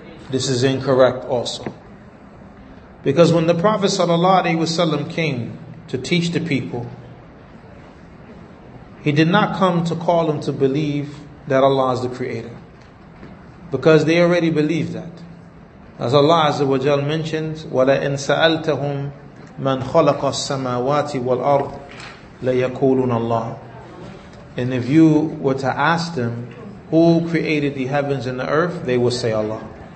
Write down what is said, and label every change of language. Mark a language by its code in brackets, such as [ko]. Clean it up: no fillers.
[en] This is incorrect also. Because when the Prophet sallallahu alaihi wasallam came to teach the people, he did not come to call them to believe that Allah is the creator. Because they already believe that. As Allah Azza wa Jal mentioned, [ar] وَلَئِن سَأَلْتَهُمْ مَنْ خَلَقَ السَّمَاوَاتِ وَالْأَرْضِ لَيَكُولُونَ اللَّهِ. [en] And if you were to ask them, who created the heavens and the earth, they will say Allah.